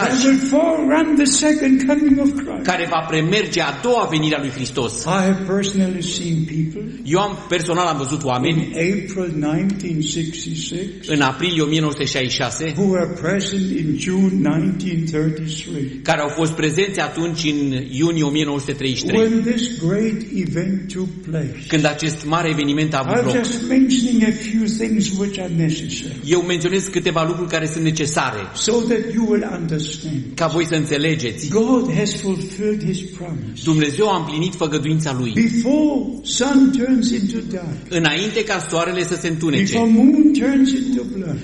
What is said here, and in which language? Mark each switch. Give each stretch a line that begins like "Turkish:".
English: That will forerun the second coming of Christ.
Romanian: Care va premerge a doua venire a lui Hristos.
English: I have personally seen people.
Romanian: Eu am personal am văzut oameni.
English: In April 1966.
Romanian: În aprilie 1966.
English: Who were present in June 1933.
Romanian: Care au fost prezenți atunci în iunie 1933.
English: When this great event took place.
Romanian: Când acest mare eveniment a avut loc.
English: I'm just mentioning a few things which are
Romanian: eu menționez câteva lucruri care sunt necesare.
English: So that you will understand.
Romanian: Ca voi să înțelegeți.
English: God has fulfilled his promise.
Romanian: Dumnezeu a împlinit făgăduința lui.
English: Before sun turns into dark.
Romanian: Înainte ca soarele să se întunece.
English: Before moon turns into blood.